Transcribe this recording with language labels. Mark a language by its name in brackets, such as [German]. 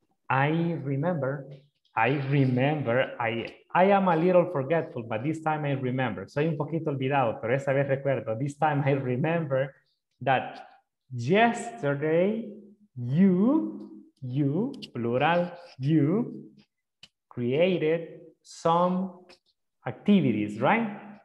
[English] I am a little forgetful, but this time I remember. [Spanish] Soy un poquito olvidado, pero esa vez recuerdo. [English] This time I remember that yesterday you, plural, you created some activities, right?